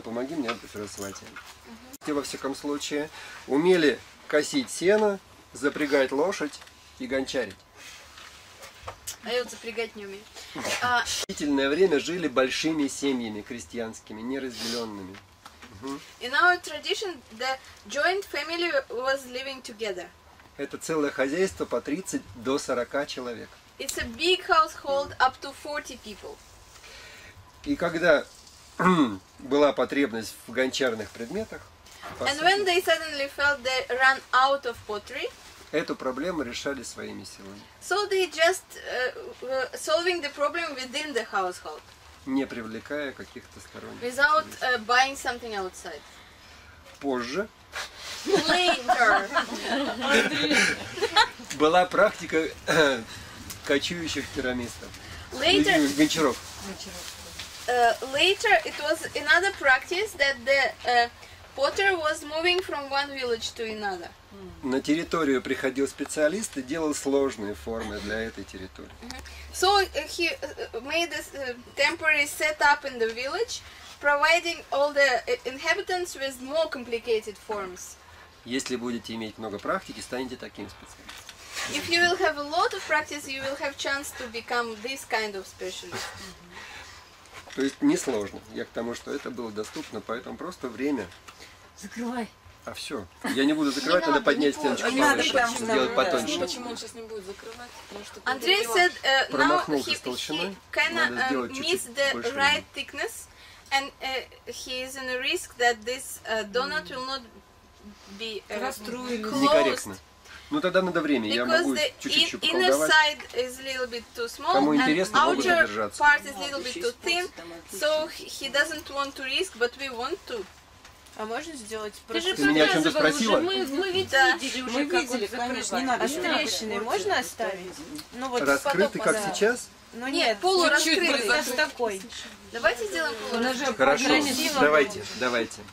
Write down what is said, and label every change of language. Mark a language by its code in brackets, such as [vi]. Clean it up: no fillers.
[ru] Помоги мне, Сарасвати. Угу. Во всяком случае, умели косить сено, запрягать лошадь и гончарить. А я вот запрягать не умею. Длительное время жили большими семьями крестьянскими, неразделенными. [en] In our tradition, the joint family was living together. [ru] Это целое хозяйство по 30 до 40 человек. [en] It's a big household up to 40 people. [ru] И когда была потребность в гончарных предметах, [en] and when they suddenly felt they ran out of pottery, [ru] эту проблему решали своими силами. [en] So they just solving the problem within the household. [ru] Не привлекая каких-то сторонних. [en] Without buying something outside. [ru] Позже. [en] Later. [ru] Была практика кочующих керамистов. [en] Later. [ru] Гончаров. [en] Later it was another practice that the potter was moving from one village to another. [ru] На территорию приходил специалист и делал сложные формы для этой территории. [en] So he made a temporary setup in the village, providing all the inhabitants with more complicated forms. [ru] Если будете иметь много практики, станете таким специалистом. [en] If you will have a lot of practice, you will have chance to become this kind of specialist. [ru] То есть несложно. Я к тому, что это было доступно, поэтому просто время. Закрывай. А все. Я не буду закрывать, надо поднять стеночку повыше, сделать потоньше. Почему он сейчас не будет закрывать? [en] Андрей said, now he kind of missed the right thickness, and he is in a risk that this donut will not be closed. [ru] Некорректно. Ну тогда надо время, я могу чуть-чуть поколдовать. Кому интересно, можно держаться. [en] Our part is a little bit too thin, so he doesn't want to risk, but we want to. [ru] А можно сделать просто? Ты меня о чем-то спросила? Мы ведь видели уже, как он закрывает. А с трещиной можно оставить? Ну, вот раскрытый, как сейчас? Ну, нет, полураскрытый. Сейчас такой. Давайте сделаем полураскрытый. Хорошо, давайте, давайте.